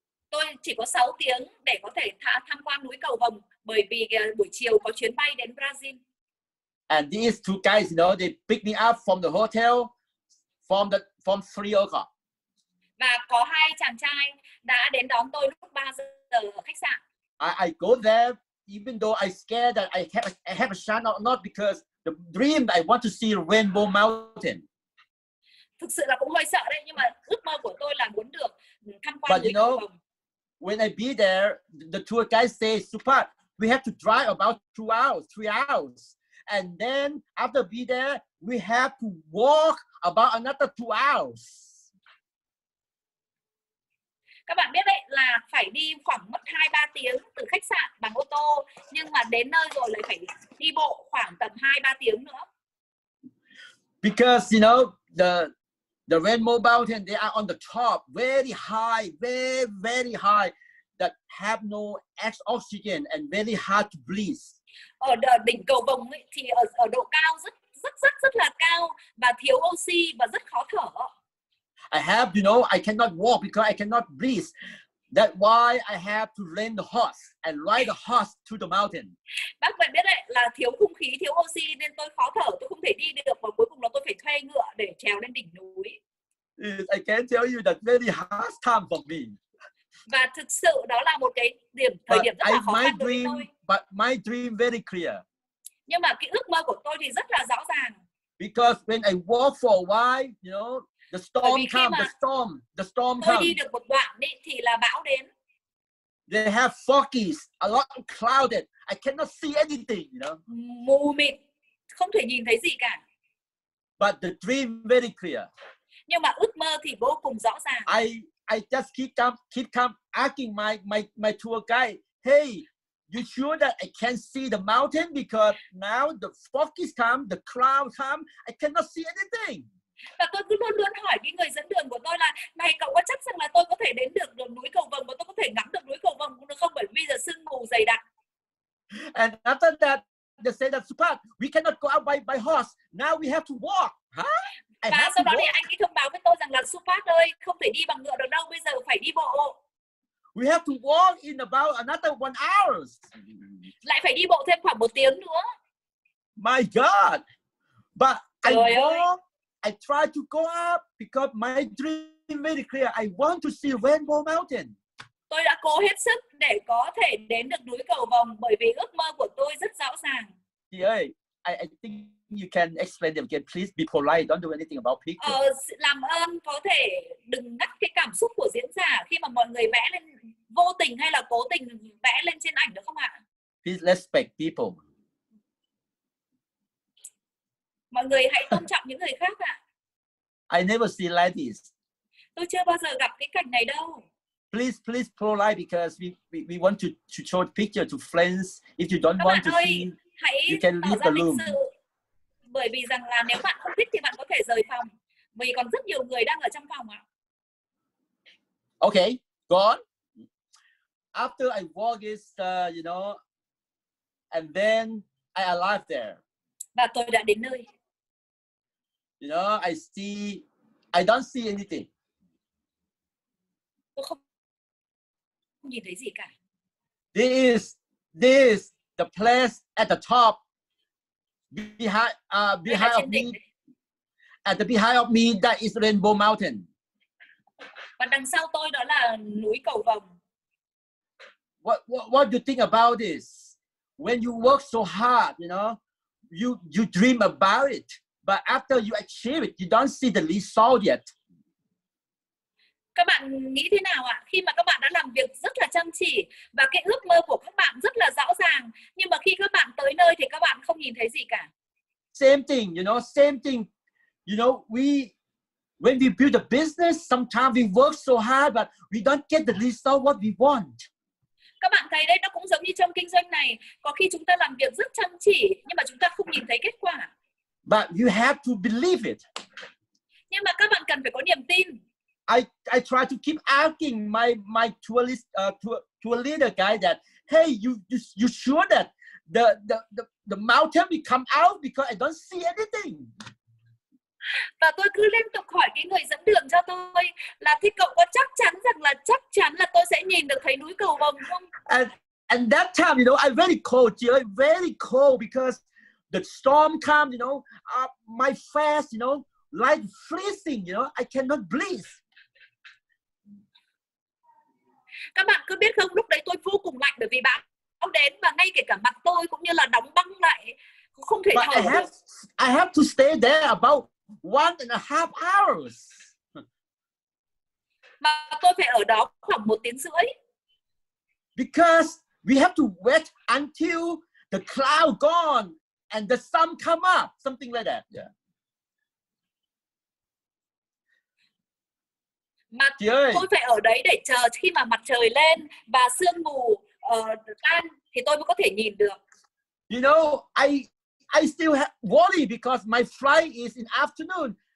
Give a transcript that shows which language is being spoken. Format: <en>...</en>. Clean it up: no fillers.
<vi>Tôi chỉ có 6 tiếng để có thể tham quan núi cầu vồng bởi vì buổi chiều có chuyến bay đến Brazil.</vi> <en>And these two guys, you know, they pick me up from the hotel from 3 o'clock.</en> <vi>Và có hai chàng trai đã đến đón tôi lúc 3 giờ ở khách sạn.</vi> <en>I go there even though I scared that I have a shot or not because the dream I want to see Rainbow Mountain.</en> <vi>Thực sự là cũng hơi sợ đấy, nhưng mà ước mơ của tôi là muốn được tham quan.</vi> <en>But you know, when I be there, the tour guide says, "Supat, we have to drive about 2 hours, 3 hours, and then after be there, we have to walk about another 2 hours."</en> <vi>Các bạn biết đấy là phải đi khoảng mất 2-3 tiếng từ khách sạn bằng ô tô, nhưng mà đến nơi rồi lại phải đi bộ khoảng tầm 2-3 tiếng nữa.</vi> <en>Because you know the Rainbow Mountain, they are on the top, very high, very, very high, that have no oxygen and very hard to breathe.</en> <vi>Ở đỉnh cầu vồng thì ở độ cao rất là cao và thiếu oxy và rất khó thở.</vi> <en>I have, you know, I cannot walk because I cannot breathe. That's why I have to rent the horse and ride the horse to the mountain.</en> <vi>Bác bạn biết đấy là thiếu không khí, thiếu oxy nên tôi khó thở, tôi không thể đi được và cuối cùng là tôi phải thuê ngựa để trèo lên đỉnh núi.</vi> <en>I can tell you that very hard time for me.</en> <vi>Và thực sự đó là một cái điểm thời</vi> <en>but</en> <vi>điểm rất là khó khăn đối với tôi.</vi> <en>But my dream very clear.</en> <vi>Nhưng mà cái ước mơ của tôi thì rất là rõ ràng.</vi> <en>Because when I walk for a while, you know, the storm comes, the storm</en> <vi>tôi</vi> <en>comes.</en> <vi>Tôi đi được một đoạn đi thì là bão đến.</vi> <en>They have foggy, a lot of clouded. I cannot see anything, you know.</en> <vi>Mù mịt, không thể nhìn thấy gì cả.</vi> <en>But the dream very clear.</en> <vi>Nhưng mà ước mơ thì vô cùng rõ ràng.</vi> <en>I just keep asking my tour guide, "Hey, you sure that I can see the mountain? Because now the fog is come, the cloud come, I cannot see anything."</en> <vi>Và tôi cứ luôn luôn hỏi cái người dẫn đường của tôi là, "Này, cậu có chắc rằng là tôi có thể đến được núi Cầu Vồng và tôi có thể ngắm được núi Cầu Vồng không? Bởi vì giờ sương mù dày đặc."</vi> <en>And after that, they say that, "Supat, we cannot go out by horse. Now we have to walk, huh?"</en> <vi>I và sau đó walk. Thì anh ấy thông báo với tôi rằng là Supat ơi, không thể đi bằng ngựa được đâu, bây giờ phải đi bộ.</vi> <en>We have to walk in about another 1 hour.</en> <vi>Lại phải đi bộ thêm khoảng 1 tiếng nữa.</vi> <en>My God. But trời I walk, I try to go up because my dream very clear. I want to see Rainbow Mountain.</en> <vi>Tôi đã cố hết sức để có thể đến được núi Cầu Vồng bởi vì ước mơ của tôi rất rõ ràng. Chị ơi,</vi> <en>I think you can explain them again. Please be polite. Don't do anything about people.</en> <vi>Làm ơn có thể đừng ngắt cái cảm xúc của diễn giả khi mà mọi người vẽ lên vô tình hay là cố tình vẽ lên trên ảnh được không ạ?</vi> <en>Please respect people.</en> <vi>Mọi người hãy tôn trọng những người khác ạ.</vi> <en>I never see like this.</en> <vi>Tôi chưa bao giờ gặp cái cảnh này đâu.</vi> <en>Please polite because we want to show picture to friends. If you don't</en> <vi>các</vi> <en>want to</en> <vi>ơi,</vi> <en>see,</en> <vi>hãy</vi> <en>you can leave the room.</en> <vi>Bởi vì rằng là nếu bạn không thích thì bạn có thể rời phòng. Vì còn rất nhiều người đang ở trong phòng ạ.</vi> <en>Okay, gone. After I walk is, you know, and then I arrive there.</en> <vi>Và tôi đã đến nơi.</vi> <en>You know, I don't see anything.</en> <vi>Tôi không nhìn thấy gì cả.</vi> <en>This, the place at the top. Behind of me, at the behind of me, that is Rainbow Mountain.</en> <vi>Và đằng sau tôi đó là núi Cầu Vồng.</vi> <en>What do you think about this? When you work so hard, you know, you dream about it, but after you achieve it, you don't see the result yet.</en> <vi>Các bạn nghĩ thế nào ạ? Khi mà các bạn đã làm việc rất là chăm chỉ và cái ước mơ của các bạn rất là rõ ràng, nhưng mà khi các bạn tới nơi thì các bạn không nhìn thấy gì cả.</vi> <en>Same thing. You know, when we build a business, sometimes we work so hard but we don't get the result what we want.</en> <vi>Các bạn thấy đấy, nó cũng giống như trong kinh doanh này, có khi chúng ta làm việc rất chăm chỉ nhưng mà chúng ta không nhìn thấy kết quả.</vi> <en>But you have to believe it.</en> <vi>Nhưng mà các bạn cần phải có niềm tin.</vi> <en>I try to keep asking my tour leader guy that, "Hey, you sure that the mountain will come out because I don't see anything?"</en> <vi>Và tôi cứ liên tục hỏi cái người dẫn đường cho tôi là, "Thì cậu có chắc chắn là tôi sẽ nhìn được thấy núi Cầu Vồng không?"</vi> <en>And that time, you know, I'm very cold,</en> <vi>chị ơi,</vi> <en>very cold because the storm comes, you know, my face, you know, like freezing, you know, I cannot breathe.</en> <vi>Các bạn có biết không, lúc đấy tôi vô cùng lạnh bởi vì bão đến và ngay kể cả mặt tôi cũng như là đóng băng lại, không thể thở.</vi> <en>I have to stay there about 1.5 hours.</en> <vi>Mà tôi phải ở đó khoảng 1.5 tiếng.</vi> <en>Because we have to wait until the cloud gone and the sun come up, something like that. Yeah.</en> <vi>Mà chị ơi, tôi phải ở đấy để chờ khi mà mặt trời lên và sương mù tan thì tôi mới có thể nhìn được.</vi> <en>You know, I still have worry because my flight is in afternoon.</en>